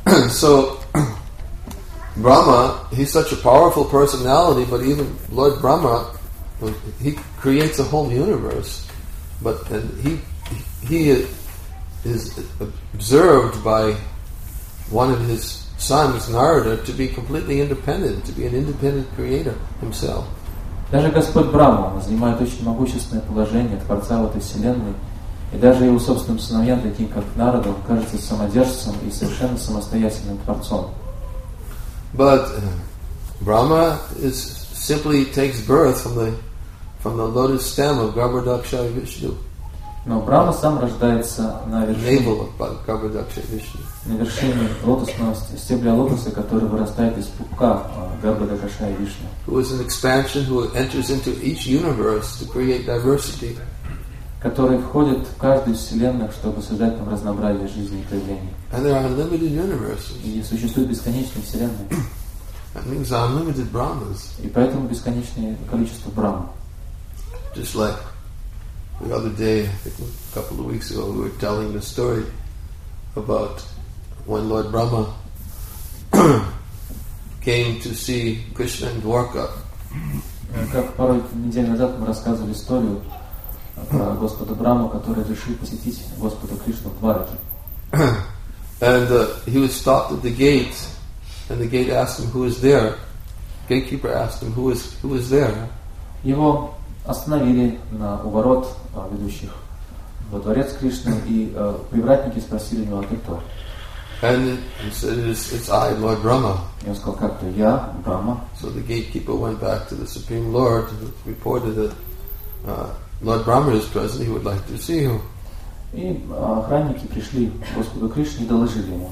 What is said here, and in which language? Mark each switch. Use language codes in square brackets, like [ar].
[en] So, Brahma, he's such a powerful personality, but even Lord Brahma, he creates a whole universe, but he is observed by one of his sons, Narada, to be completely independent, to be an independent creator himself. [ru] Даже Господь Брахма занимает очень могущественное положение Творца в этой вселенной, и даже его собственным сыновьям, таким как Нарада, он кажется самодержцем и совершенно самостоятельным Творцом. [en] But Brahma is simply takes birth from the lotus stem of Garbhodaksha Vishnu. [ru] Но Брахма сам рождается на вершине. [en] Navel of Garbhodaksha Vishnu. [ru] На вершине лотосного стебля лотоса, который вырастает из пупка Гарбхадакша и Вишну. [en] Who is an expansion who enters into each universe to create diversity. [ru] Который входит в каждую вселенную, чтобы создать там разнообразие жизни и проявлений. [en] And there are unlimited universes. [ru] И существуют бесконечные вселенные. [en] That means there are unlimited Brahmas. [ru] И поэтому бесконечное количество Брахма. [en] Just like the other day, I think a couple of weeks ago, we were telling the story about when Lord Brahma came to see Krishna in Dwarka. [ru] Как пару недель назад мы рассказывали историю про Господа Брама, который решил посетить Господа Кришну в Двараке. [en] And he was stopped at the gate, and the gate asked him, "Who is there?" Gatekeeper asked him, "Who is there?" [ru] Его остановили на уворот ведущих во дворец Кришны, и привратники спросили у него, "Ты кто?" [en] And he said, "It's I, Lord Brahma." [ru] Я сказал, как то я, Брама. [en] So the gatekeeper went back to the Supreme Lord and reported that Lord Brahma is present. He would like to see you. [ru] И охранники пришли к Господу Кришне и доложили ему.